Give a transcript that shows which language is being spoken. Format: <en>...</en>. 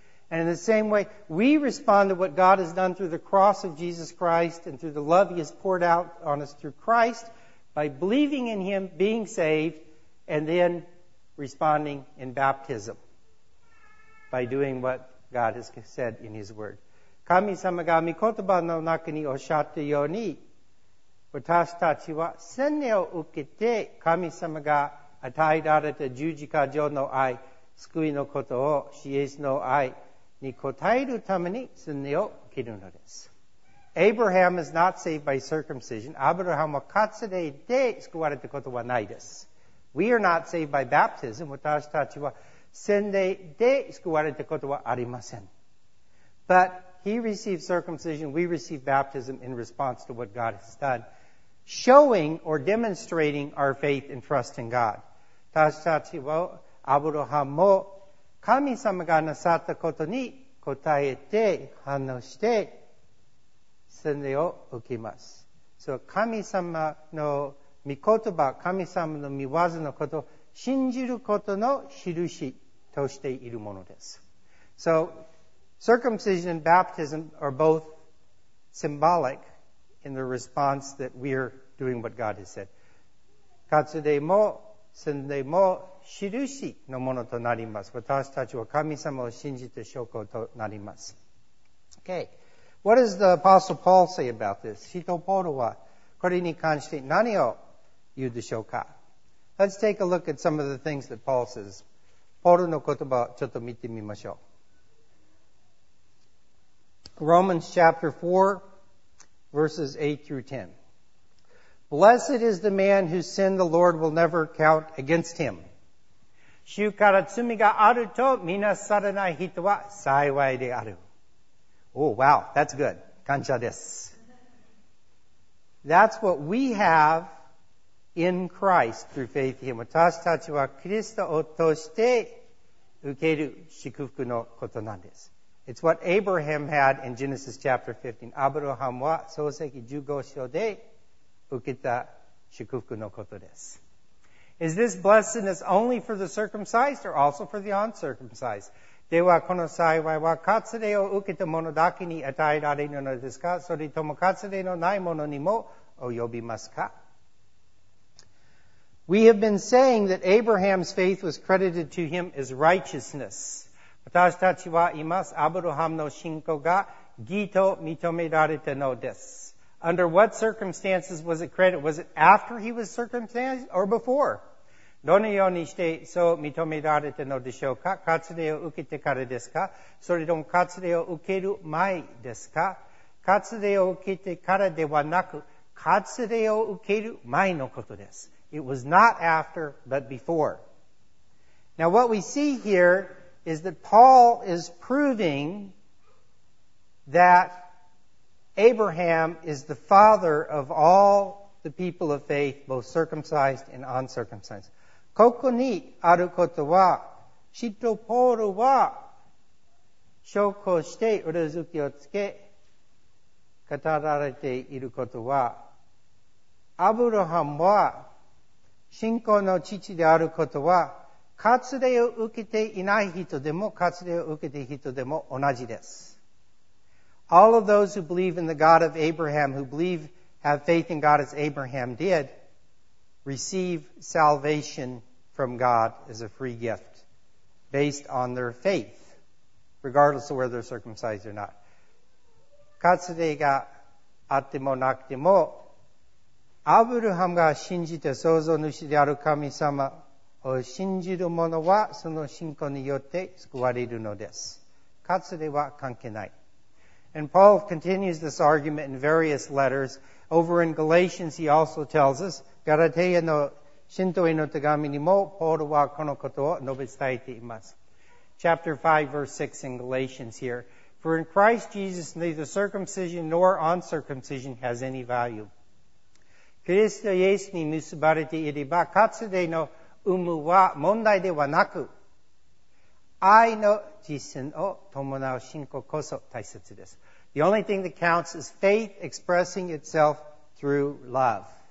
<en>And in the same way, we respond to what God has done through the cross of Jesus Christ and through the love He has poured out on us through Christ by believing in Him, being saved, and then responding in baptism. By doing what God has said in His Word.</en> <ja>神様が御言葉の中におっしゃったように、私たちは洗礼を受けて、神様が与えられた十字架上の愛、救いのことを、イエスの愛に応えるために洗礼を受けるのです。</ja> <en>Abraham is not saved by circumcision.</en> <ja>アブラハムは割礼で救われたことはないです。</ja> <en>We are not saved by baptism.</en> <ja>私たちは洗礼で救われたことはありません。</ja> <en>But he received circumcision, we received baptism in response to what God has done, showing or demonstrating our faith and trust in God.</en> <ja>私たちはアブラハムも神様がなさったことに答えて反応して洗礼を受けます。 So 神様の御言葉、神様の御業のこと、信じることの印としているものです。</ja> <en>So, circumcision and baptism are both symbolic in the response that we are doing what God has said.</en> <ja>割礼も洗礼も印のものとなります。私たちは神様を信じて証拠となります。</ja> <en>Okay. What does the Apostle Paul say about this?</en> <ja>使徒ポールはこれに関して何を言うでしょうか?</ja> <en>Let's take a look at some of the things that Paul says.</en> <ja>ポールの言葉をちょっと見てみましょう。</ja> <en>Romans chapter 4, verses 8 through 10. Blessed is the man whose sin the Lord will never count against him.</en> <ja>主から罪があるとみなされない人は幸いである。</ja> <en>Oh, wow, that's good.</en> <ja>感謝です。</ja> <en>That's what we have. In Christ through faith in Him.</en> <ja>私たちはキリストを通して受ける祝福のことなんです。</ja> <en>It's what Abraham had in Genesis chapter 15.</en> <ja>アブラハムは創世記15章で受けた祝福のことです。</ja> <en>Is this blessedness only for the circumcised or also for the uncircumcised?</en> <ja>ではこの幸いは割礼を受けた者だけに与えられるのですか? それとも割礼のない者にも及びますか?</ja> <en>We have been saying that Abraham's faith was credited to him as righteousness.</en> <ja>私たちは言います。アブラハムの信仰が義と認められたのです。</ja> <en>Under what circumstances was it credited? Was it after he was circumcised or before?</en> <ja>どのようにしてそう認められたのでしょうか?割礼を受けてからですか? それとも割礼を受ける前ですか?割礼を受けてからではなく、割礼を受ける前のことです。</ja> <en>It was not after, but before. Now what we see here is that Paul is proving that Abraham is the father of all the people of faith, both circumcised and uncircumcised.</en> <ja>ここにあることは、使徒ポールは証拠して裏付けをつけ語られていることは、アブラハムは信仰の父であることは、割礼を受けていない人でも、割礼を受けている人でも同じです。</ja> <en>All of those who believe in the God of Abraham, who believe, have faith in God as Abraham did, receive salvation from God as a free gift, based on their faith, regardless of whether they're circumcised or not.</en> <ja>活霊があってもなくても、アブラハムが信じて創造主である神様を信じる者はその信仰によって救われるのです。活霊は関係ない。</ja> <en>And Paul continues this argument in various letters. Over in Galatians he also tells us,</en> <ja>ガラテヤの信徒への手紙にもポールはこのことを述べ伝えています。</ja> <en>Chapter 5 verse 6 in Galatians here. For in Christ Jesus neither circumcision nor uncircumcision has any value.</en> <ja>キリストイエスに結ばれていれば活霊の有無は問題ではなく、愛の実践を伴う信仰こそ大切です。</ja> <en>The only thing that counts is faith expressing itself through love.</en>